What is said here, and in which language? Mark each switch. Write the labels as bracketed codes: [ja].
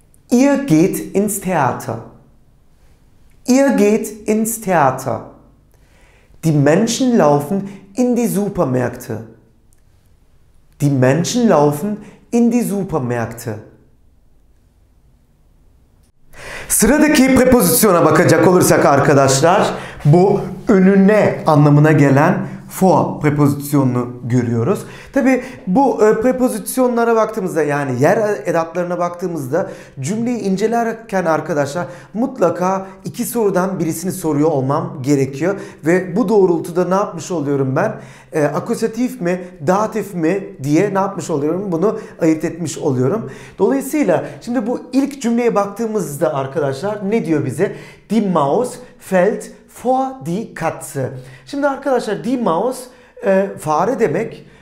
[de] Ihr geht ins Theater. Ihr geht ins Theater. Die Menschen laufen in die Supermärkte. Die Menschen laufen in die Supermärkte. [tr] Sıradaki prepozisyona bakacak olursak arkadaşlar, bu önüne anlamına gelen vor prepozisyonunu görüyoruz. Tabii bu prepozisyonlara baktığımızda, yani yer edatlarına baktığımızda cümleyi incelerken arkadaşlar mutlaka iki sorudan birisini soruyor olmam gerekiyor. Ve bu doğrultuda ne yapmış oluyorum ben? Akusatif mi, datif mi diye ne yapmış oluyorum? Bunu ayırt etmiş oluyorum. Dolayısıyla şimdi bu ilk cümleye baktığımızda arkadaşlar ne diyor bize? [de] Die Maus fällt vor die Katze. [tr] Şimdi arkadaşlar [de] die Maus [tr] fare demek.